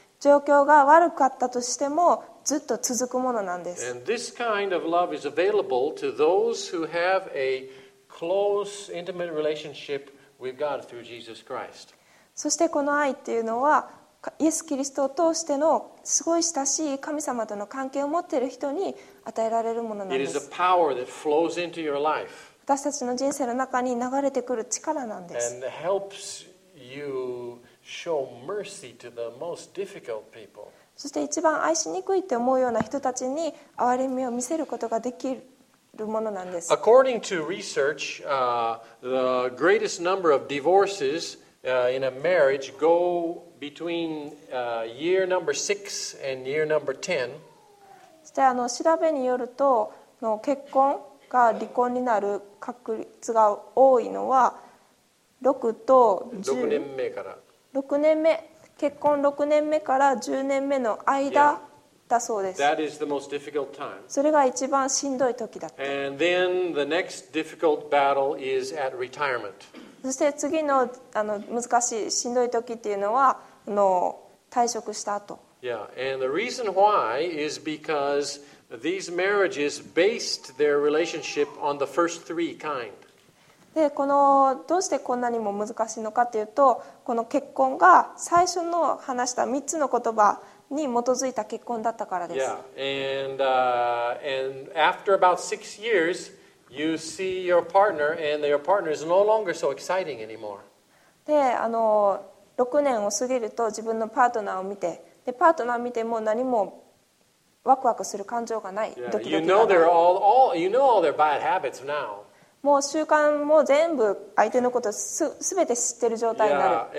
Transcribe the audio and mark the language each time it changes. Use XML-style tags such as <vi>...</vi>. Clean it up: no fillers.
<ja>状況が悪かったとしてもずっと続くものなんです。</ja> <en>And this kind of love is available to those who have a close, intimate relationship with God through Jesus Christ.</en> <ja>そしてこの愛っていうのはイエス・キリストを通してのすごい親しい神様との関係を持っている人に与えられるものなんです。</ja> <en>It is a power that flows into your life.</en> <ja>私たちの人生の中に流れてくる力なんです。</ja> <en>And helps you show mercy to the most difficult people.</en> <ja>そして一番愛しにくいって思うような人たちに憐れみを見せることができるものなんです。</ja> <en>According to research, the greatest number of divorcesin a marriage go between year number 6 and year number 10.</en> <ja>そして調べによるとの結婚が離婚になる確率が多いのは6と10。 6年目から。 6年目。結婚6年目から10年目の間だそうです。</ja> <en>Yeah. That is the most difficult time.</en> <ja>それが一番しんどい時だった。</ja> <en>And then the next difficult battle is at retirement.</en> <ja>そして次 の, 難しいしんどい時っていうのは退職した後。</ja> <en>Yeah, and the reason why is because These marriages based their relationship on the first three kind.</en> <ja>で、このどうしてこんなにも難しいのかというと、この結婚が最初の話した3つの言葉に基づいた結婚だったからです。</ja> <en>Yeah. And, and after about 6 years, you see your partner and your partner is no longer so exciting anymore.</en> <ja>で、6年を過ぎると自分のパートナーを見て、で、パートナーを見ても何もワクワクする感情がない。</ja> <en>Yeah.</en> <ja>ドキドキがない。</ja> <en>You know they're all, you know all their bad habits now.</en> <ja>もう習慣も全部相手のことすべて知ってる状態になる。</ja>